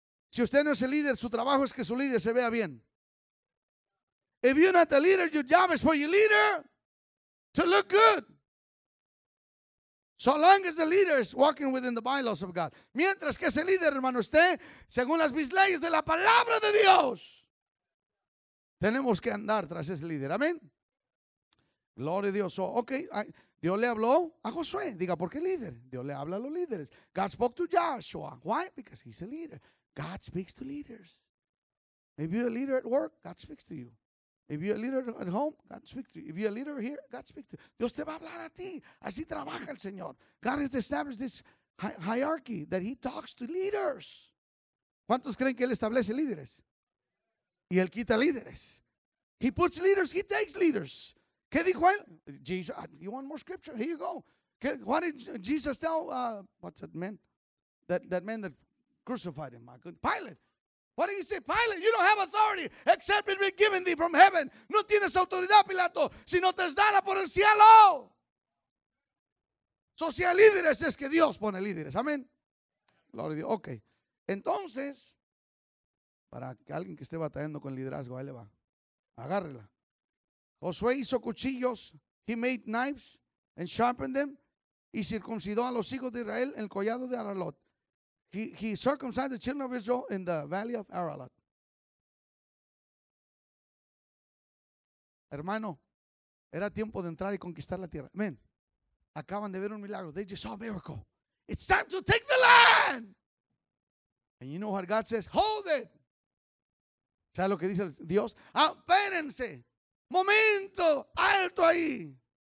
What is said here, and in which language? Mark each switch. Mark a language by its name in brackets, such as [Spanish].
[Spanish] Si usted no es el líder, su trabajo es que su líder se vea bien. [English] If you're not the leader, your job is for your leader to look good. So long as the leader is walking within the bylaws of God. [Spanish] Mientras que ese líder, hermano, esté según las mis leyes de la palabra de Dios. Tenemos que andar tras ese líder. Amén. Gloria a Dios. [English] So, okay, [Spanish] Dios le habló a Josué. Diga, ¿por qué líder? Dios le habla a los líderes. [English] God spoke to Joshua. Why? Because he's a leader. God speaks to leaders. If you're a leader at work, God speaks to you. If you're a leader at home, God speaks to you. If you're a leader here, God speaks to you. [Spanish] Dios te va a hablar a ti. Así trabaja el Señor. [English] God has established this hierarchy that he talks to leaders. [Spanish] ¿Cuántos creen que él establece líderes? Y él quita líderes. [English] He puts leaders, he takes leaders. [Spanish] ¿Qué dijo él? [English] Jesus, you want more scripture? Here you go. What did Jesus tell, what's that man? That man that crucified him, my goodness. Pilate. What did he say? Pilate, you don't have authority except it be given thee from heaven. [Spanish] No tienes autoridad, Pilato, sino te es dada por el cielo. So si hay líderes, es que Dios pone líderes. Amén. Gloria a Dios. Ok. Entonces, para que alguien que esté batallando con liderazgo, ahí le va. Agárrela. Josué hizo cuchillos. [English] He made knives and sharpened them. [Spanish] Y circuncidó a los hijos de Israel en el collado de Aralot. [English] He circumcised the children of Israel in the valley of Aralot. [Spanish] Hermano, era tiempo de entrar y conquistar la tierra. [English] Amen. [Spanish] Acaban de ver un milagro. [English] They just saw a miracle. It's time to take the land. And you know what God says? Hold it. [Spanish] ¿Sabes lo que dice Dios? Apérense. Momento. Alto ahí.